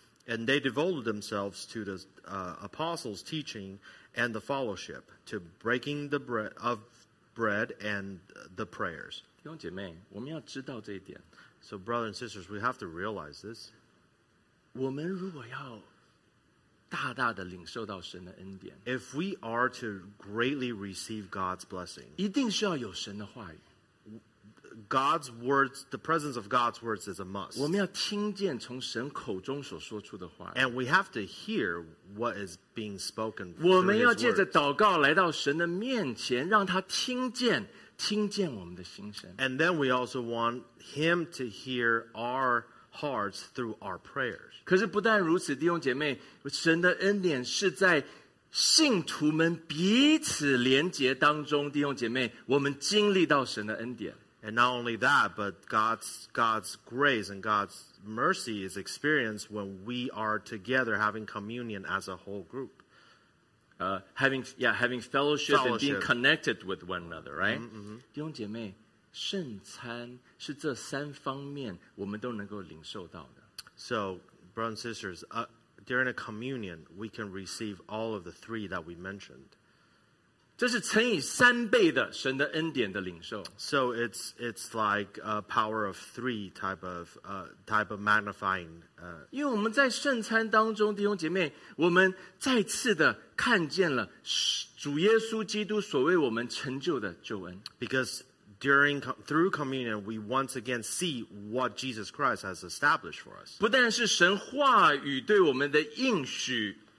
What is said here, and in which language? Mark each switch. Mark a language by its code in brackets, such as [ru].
[en] And they devoted themselves to the apostles' teaching and the fellowship, to breaking the bread and the prayers. [zh] 弟兄姐妹,我们要知道这一点。 [en] So brothers and sisters, we have to realize this. [zh] 我们如果要 [en] If we are to greatly receive God's blessing, [zh] 一定是要有神的话语, [en] God's words, the presence of God's words is a must. [zh] 我们要听见从神口中所说出的话语, [en] and we have to hear what is being spoken through His words. [zh] 我们要借着祷告来到神的面前, 让他听见, 听见我们的心声。 [en] And then we also want Him to hear our hearts through our prayers. [zh] 可是不但如此, 弟兄姐妹, 神的恩典是在信徒们彼此连结当中, 弟兄姐妹, 我们经历到神的恩典。 [en] And not only that, but God's grace and God's mercy is experienced when we are together having communion as a whole group. Having fellowship and being connected with one another, right? Mm-hmm. [zh] 弟兄姐妹, 圣餐是这三方面我们都能够领受到的。 [en] So, brothers and sisters, during a communion, we can receive all of the three that we mentioned. [zh] 这是乘以三倍的神的恩典的领受。 [en] So it's like a power of three type of magnifying. [zh] 因为我们在圣餐当中，弟兄姐妹，我们再次的看见了主耶稣基督所为我们成就的救恩。 [en] Because through communion, we once again see what Jesus Christ has established for us. [zh] 不但是神话语对我们的应许,